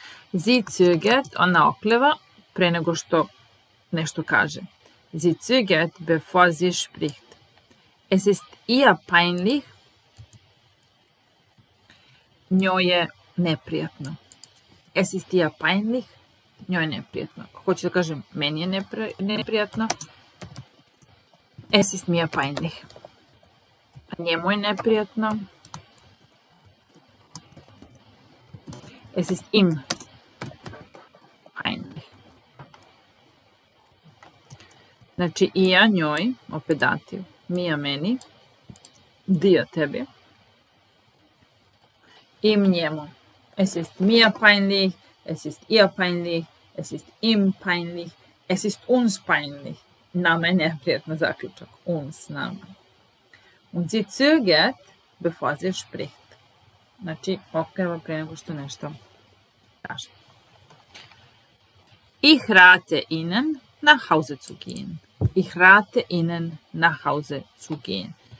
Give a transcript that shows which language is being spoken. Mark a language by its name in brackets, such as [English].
[German] Sie zögert, [Serbian] ona okljeva, pre nego što nešto kaže. [German] Sie zögert, bevor sie spricht. Es ist ihr peinlich. [Serbian] Njoj je neprijatno. [German] Es ist ihr peinlich. [Serbian] Njoj je neprijatno. Kako ću da kažem, meni je neprijatno. [German] Es ist mir peinlich. [Serbian] Njemu je neprijatno. [German] Es ist ihm [Serbian] Znači, i ja njoj, opet dativ, mi ja meni, dio tebi, im njemu. [German] Es ist mir peinlich, es ist ihr peinlich, es ist im peinlich, es ist uns peinlich. [Serbian] Nama je neprijatno zaključak, [German] uns, nama. Und sie zögert, bevor sie spricht. [Serbian] Znači, okreva pre nego što nešto kaže. [German] Ich rate Ihnen, nach Hause zu gehen. Ich rate Ihnen, nach Hause zu gehen.